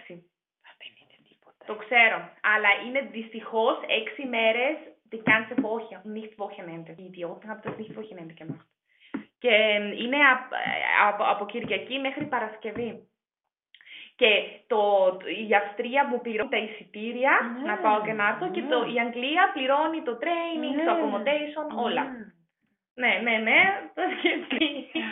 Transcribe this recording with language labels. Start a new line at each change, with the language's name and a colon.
Greek: 6. Το ξέρω, αλλά είναι δυστυχώς 6 μέρες
German: die ganze Woche und nicht Wochenende. Die Idioten haben das nicht Wochenende gemacht.
Greek: Και είναι από Κυριακή μέχρι Παρασκευή. Και η Αυστρία μου πληρώνει τα εισιτήρια να πάω και να έρθω και η Αγγλία πληρώνει το training, το accommodation, όλα. Ναι, ναι, ναι, το σκεφτεί.